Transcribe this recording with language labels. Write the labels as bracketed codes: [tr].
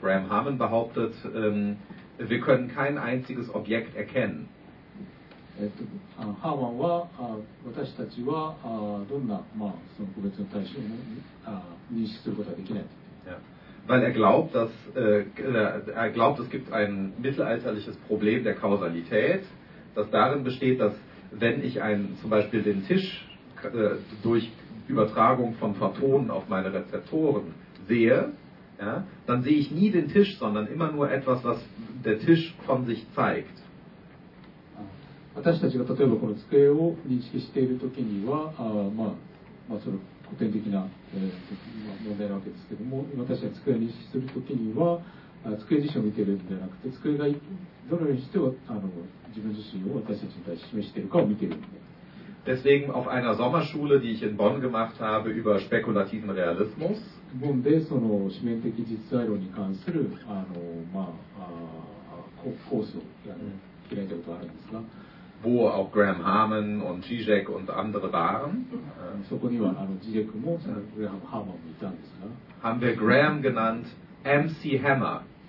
[de] Graham Harman behauptet, wir können kein einziges Objekt erkennen. [ja] Harman は、私たちは、どんな、まあ、その個別の対象も、認識することはできない。 [de] Weil er glaubt, dass, er glaubt, es gibt ein mittelalterliches Problem der Kausalität, das darin besteht, dass wenn ich zum Beispiel den Tisch durch Übertragung von Photonen auf meine Rezeptoren sehe, ja, dann sehe ich nie den Tisch, sondern immer nur etwas, was der Tisch von sich zeigt. [ja] 私たちが例えばこの机を認識しているときには、まあ、まあ、その古典的な、問題なわけですけども、私たちが机を認識するときには、机自身を見ているのではなくて、机がどのようにして、自分自身を私たちに対して示しているかを見ているので。 [de] Deswegen auf einer Sommerschule, die ich in Bonn gemacht habe, über spekulativen Realismus. [ja] Bonn でその紙面的実在論に関するあの、まあ、コースを開いたことがあるんですが、 [de] wo auch Graham Harman und Zizek und andere waren. [ja] そこにはあのジジェクもそのグラハム・ハーマンもいたんですが、 [de] haben wir Graham genannt MC Hammer.